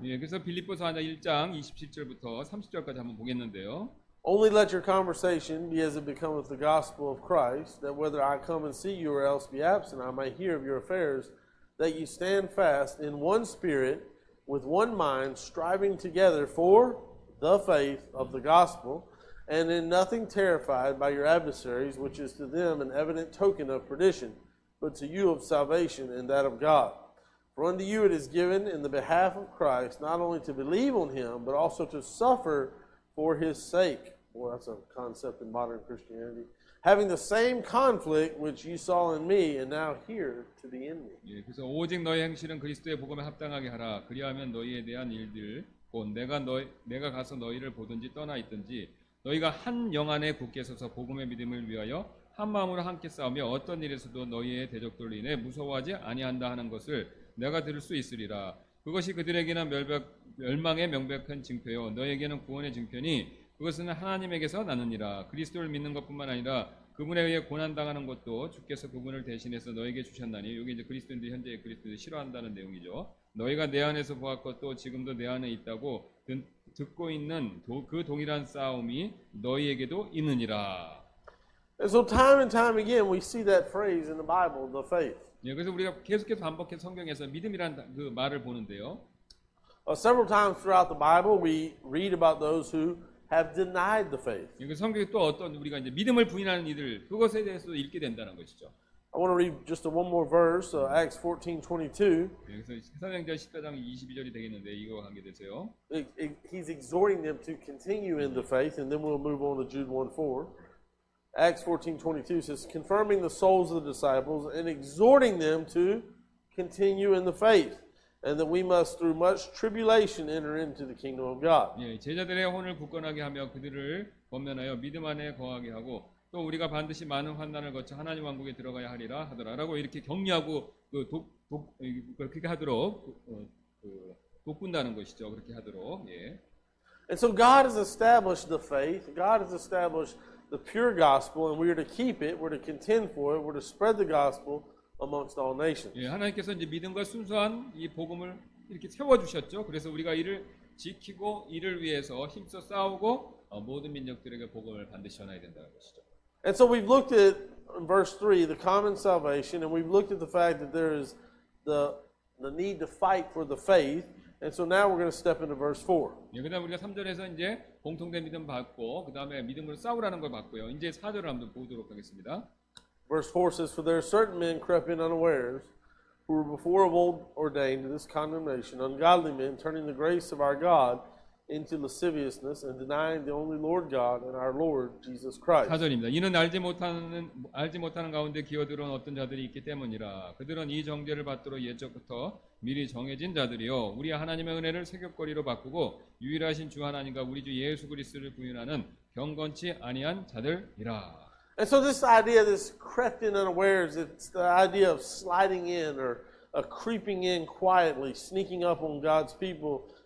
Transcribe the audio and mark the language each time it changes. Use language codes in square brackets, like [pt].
[ko] 예, 그래서 빌립보서 1장 27절부터 30절까지 한번 보겠는데요. [en] Only let your conversation be as it becometh the gospel of Christ, that whether I come and see you or else be absent, I may hear of your affairs, that you stand fast in one spirit, with one mind, striving together for the faith of the gospel, and in nothing terrified by your adversaries, which is to them an evident token of perdition, but to you of salvation and that of God. For unto you it is given in the behalf of Christ, not only to believe on him, but also to suffer for his sake. Well, that's a concept in modern Christianity. Having the same conflict which you saw in me and now here to the end. [ko] 예, 그래서 오직 너희 행실은 그리스도의 복음에 합당하게 하라. 그리하면 너희에 대한 일들 곧 내가 가서 너희를 보든지 떠나 있든지 너희가 한 영 안에 굳게 서서 복음의 믿음을 위하여 한 마음으로 함께 싸우며 어떤 일에서도 너희의 대적들로 인해 무서워하지 아니한다 하는 것을 내가 들을 수 있으리라. 그것이 그들에게는 멸망의 명백한 증표요 너희에게는 구원의 증표니 그것은 하나님에게서 나느니라. 그리스도를 믿는 것뿐만 아니라 그분에 의해 고난 당하는 것도 주께서 그분을 대신해서 너에게 주셨나니 여기 이제 그리스도인들 현재 그리스도를 싫어한다는 내용이죠. 너희가 내 안에서 보았고 또 지금도 내 안에 있다고 듣고 있는 그 동일한 싸움이 너희에게도 있느니라. [en] And so time and time again we see that phrase in the Bible, the faith. [ko] 예, 그래서 우리가 계속해서 반복해서 성경에서 믿음이란 그 말을 보는데요. [en] Several times throughout the Bible we read about those who have denied the faith. [ko] 이게 성경에 또 어떤 우리가 이제 믿음을 부인하는 이들 그것에 대해서도 읽게 된다는 것이죠. [en] I want to read just one more verse, Acts 14:22. [ko] 여기서 사도행전 14장 22절이 되겠는데 이거 함께 되세요. [en] He's exhorting them to continue in the faith, and then we'll move on to Jude 1:4. Acts 14:22 says, confirming the souls of the disciples and exhorting them to continue in the faith, and that we must through much tribulation enter into the kingdom of God. [ko] 예, 제자들의 혼을 굳건하게 하며 그들을 권면하여 믿음 안에 거하게 하고 또 우리가 반드시 많은 환난을 거쳐 하나님 왕국에 들어가야 하리라 하더라라고 이렇게 격려하고 그 그렇게 하도록 돕군다는 것이죠. 그렇게 하도록. 예. [en] And so God has established the faith. God has established the pure gospel, and we are to keep it. We're to contend for it. We're to spread the gospel amongst all nations. [ko] 예, 하나님께서 이제 믿음과 순수한 이 복음을 이렇게 세워주셨죠. 그래서 우리가 이를 지키고 이를 위해서 힘써 싸우고 모든 민족들에게 복음을 반드시 전해야 된다는 것이죠. [en] And so we've looked at in verse 3, the common salvation, and we've looked at the fact that there is the need to fight for the faith. And so now we're going to step into verse 4. [ko] 예, 그다음 우리가 3절에서 이제 공통된 믿음 받고 그다음에 믿음으로 싸우라는 걸 받고요. 이제 4절을 한번 보도록 하겠습니다. [en] Verse 4 says, For there are certain men crept in unawares, who were before of old ordained to this condemnation, ungodly men, turning the grace of our God into lasciviousness and denying the only Lord God and our Lord Jesus Christ. [ko] 4절입니다. 이는 알지 못하는 가운데 기어들어온 어떤 자들이 있기 때문이라. 그들은 이 정죄를 받도록 예적부터 미리 정해진 자들이요. 우리 하나님의 은혜를 세겹거리로 바꾸고 유일하신 주 하나님과 우리 주 예수 그리스도를 부인하는 경건치 아니한 자들이라. [en] And so this idea, this crept in unawares, it's the idea of sliding in or creeping in quietly, sneaking up on God's people.